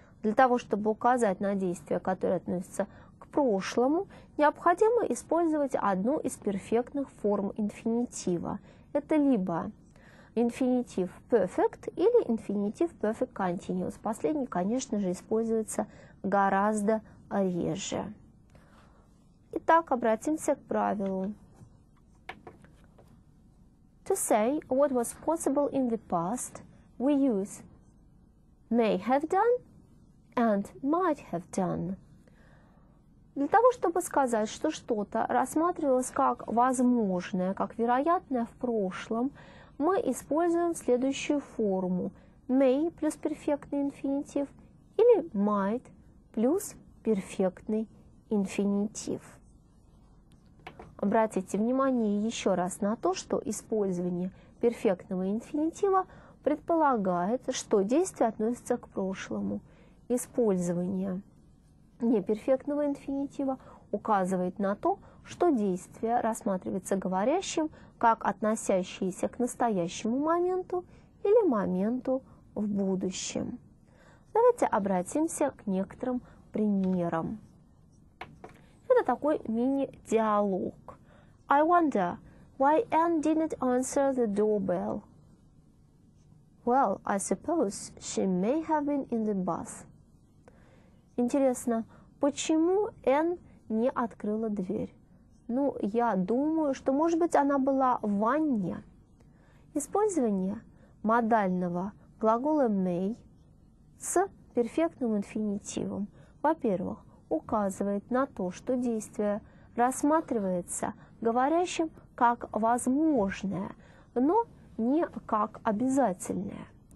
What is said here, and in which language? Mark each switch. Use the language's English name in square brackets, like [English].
[Russian] Для того, чтобы указать на действие, которое относится к прошлому, необходимо использовать одну из перфектных форм инфинитива. Это либо инфинитив perfect или инфинитив perfect continuous. Последний, конечно же, используется гораздо реже. Итак, обратимся к правилу. [English] To say what was possible in the past, we use may have done and might have done. [Russian] Для того, чтобы сказать, что что-то рассматривалось как возможное, как вероятное в прошлом, мы используем следующую форму may плюс перфектный инфинитив или might плюс перфектный инфинитив. Обратите внимание еще раз на то, что использование перфектного инфинитива предполагает, что действие относится к прошлому. Использование неперфектного инфинитива указывает на то, что действие рассматривается говорящим как относящееся к настоящему моменту или моменту в будущем. Давайте обратимся к некоторым примерам. Это такой мини-диалог. [English] I wonder why Anne didn't answer the doorbell. Well, I suppose she may have been in the bus. [Russian] Интересно, почему Anne не открыла дверь? Ну, я думаю, что, может быть, она была в ванне. Использование модального глагола may с перфектным инфинитивом, во-первых, указывает на то, что действие рассматривается говорящим как возможное, но не как обязательное.